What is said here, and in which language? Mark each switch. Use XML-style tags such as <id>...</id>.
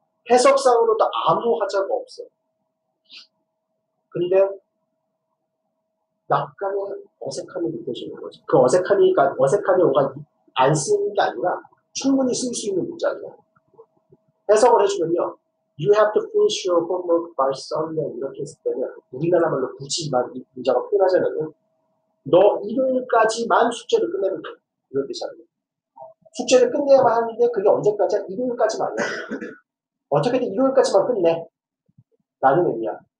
<ko>해석상으로도 아무 하자가 없어. 근데 약간의 어색함이 느껴지는 거지. 그 어색함이니까 어색함이 뭔가 안 쓰는 게 아니라 충분히 쓸 수 있는 문장이야. 해석을 해주면요.</ko> <en>You have to finish your homework by Sunday.</en> <ko>이렇게 했을 때는, 우리나라 말로 굳이 이 문장을 표현하자면, 너 일요일까지만 숙제를 끝내면 돼. 이런 뜻이야. 숙제를 끝내야만 하는데, 그게 언제까지야? 일요일까지만. 어떻게든 일요일까지만 끝내. 라는 의미야.</ko>